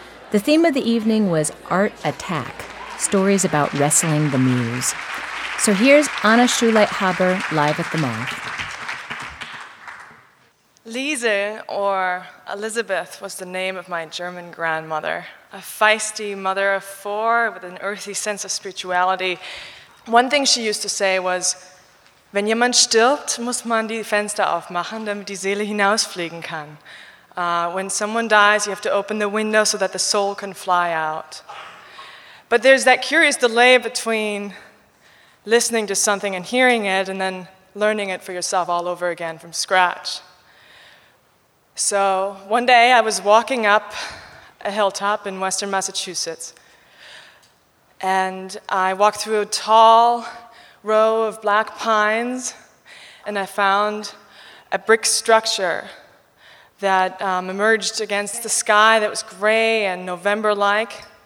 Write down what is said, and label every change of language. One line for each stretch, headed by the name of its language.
English: The theme of the evening was Art Attack, stories about wrestling the muse. So here's Anna Schuleit Haber live at the Moth. Lise, or Elizabeth, was the name of my German grandmother. A feisty mother of four with an earthy sense of spirituality. One thing she used to say was,
German: wenn jemand stirbt, muss man die Fenster aufmachen, damit die Seele hinausfliegen kann.
English: When someone dies, you have to open the window so that the soul can fly out. But there's that curious delay between listening to something and hearing it and then learning it for yourself all over again from scratch. So one day I was walking up a hilltop in western Massachusetts, and I walked through a tall row of black pines, and I found a brick structure that emerged against the sky that was gray and November-like.